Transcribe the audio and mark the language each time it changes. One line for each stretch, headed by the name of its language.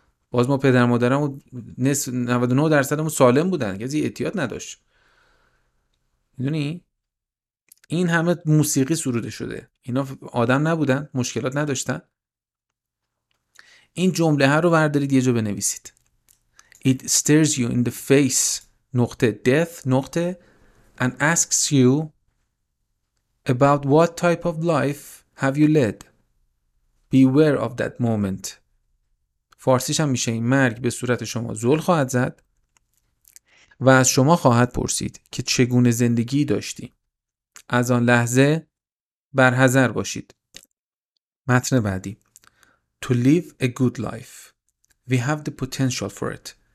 Persian: باز ما پدر مادرمو 99%مون سالم بودن، کسی اعتیاد نداشت. میدونی؟ این همه موسیقی سروده شده. اینا آدم نبودن، مشکلات نداشتن. این جمله ها رو بردارید یه جا بنویسید.
English: It stares you in the face. نقطه death. نقطه and asks you about what type of life have you led. Beware of that moment.
Persian: فارسیش هم میشه این مرگ به صورت شما زل خواهد زد و از شما خواهد پرسید که چگونه زندگی داشتی. از آن لحظه برحذر باشید. متن بعدی،
English: To live a good life, we have the potential for it.